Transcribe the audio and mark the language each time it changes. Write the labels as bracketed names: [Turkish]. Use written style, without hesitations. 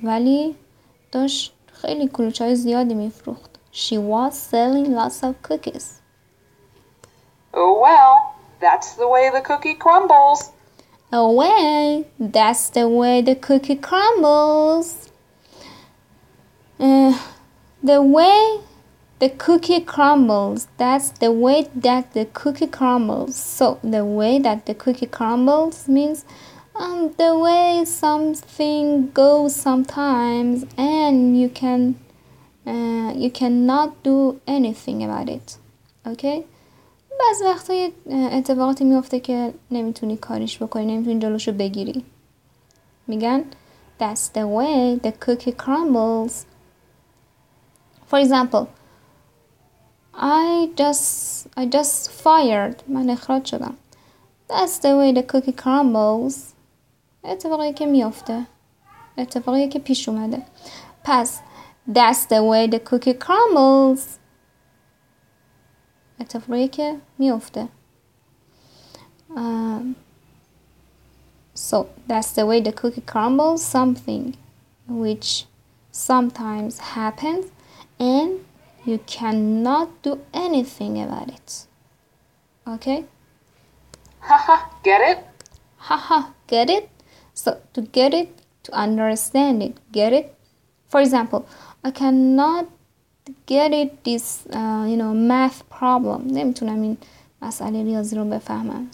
[Persian] ولی داشت خیلی کلوچه‌های زیادی میفروخت. [English] She was selling lots of cookies. Oh well, that's the way the cookie crumbles. Away, that's the way the cookie crumbles. The way The cookie crumbles. That's the way that the cookie crumbles. So, the way that the cookie crumbles means the way something goes sometimes and you can you cannot do anything about it. Okay? [Persian] بعض وقتا یه اتفاقاتی میفته که نمیتونی کاریش بکنی، نمیتونی جلوشو بگیری. میگن [English] that's the way the cookie crumbles. For example, I just fired. [Persian] من اخراج شدم. [English] That's the way the cookie crumbles. [Persian] اتفاقی که میفته. اتفاقی که پیش اومده. پس [English] that's the way the cookie crumbles. [Persian] اتفاقی که میفته. [English] So that's the way the cookie crumbles. Something which sometimes happens and You cannot do anything about it. Okay? Haha, get it? Haha, get it? So, to get it, to understand it, get it? For example, I cannot get it this, math problem. [Persian] نمیتونم این مسئله ریاضی رو بفهمم.